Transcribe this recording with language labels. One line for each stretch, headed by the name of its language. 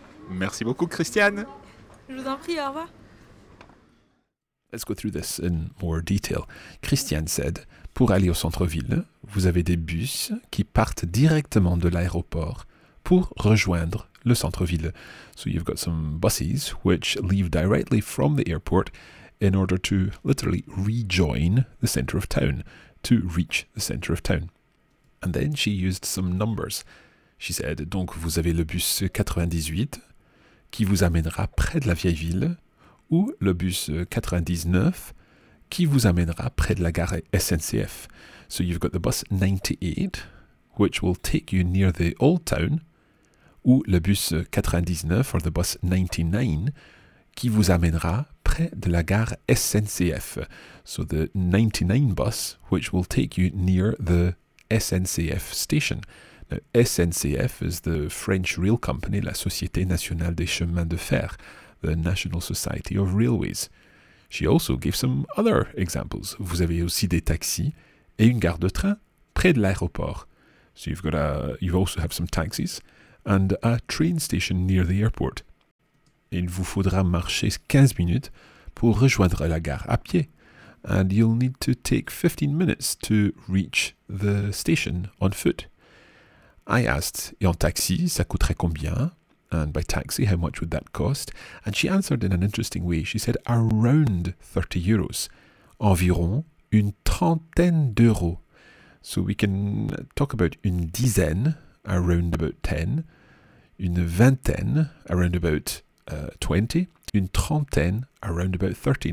French: Merci beaucoup, Christiane. Je vous en prie, au revoir.
English: Let's go through this in more detail. Christiane said,
French: pour aller au centre-ville, vous avez des bus qui partent directement de l'aéroport pour rejoindre le centre-ville.
English: So you've got some buses which leave directly from the airport in order to literally rejoin the center of town, to reach the center of town. And then she used some numbers. She said,
French: donc vous avez le bus 98 qui vous amènera près de la vieille ville, ou le bus 99 qui vous amènera près de la gare SNCF.
English: So you've got the bus 98, which will take you near the old town,
French: ou le bus 99,
English: or the bus 99,
French: qui vous amènera près de la gare SNCF.
English: So the 99 bus, which will take you near the SNCF station. Now, SNCF is the French rail company, la Société Nationale des Chemins de Fer, the National Society of Railways. She also gave some other examples.
French: Vous avez aussi des taxis et une gare de train près de l'aéroport.
English: So you've got you also have some taxis and a train station near the airport.
French: Il vous faudra marcher 15 minutes pour rejoindre la gare à pied.
English: And you'll need to take 15 minutes to reach the station on foot. I asked,
French: et en taxi, ça coûterait combien?
English: And by taxi, how much would that cost? And she answered in an interesting way. She said, around 30 euros.
French: Environ une trentaine d'euros.
English: So we can talk about
French: une dizaine,
English: around about 10.
French: Une vingtaine,
English: around about 20,
French: une trentaine,
English: around about 30.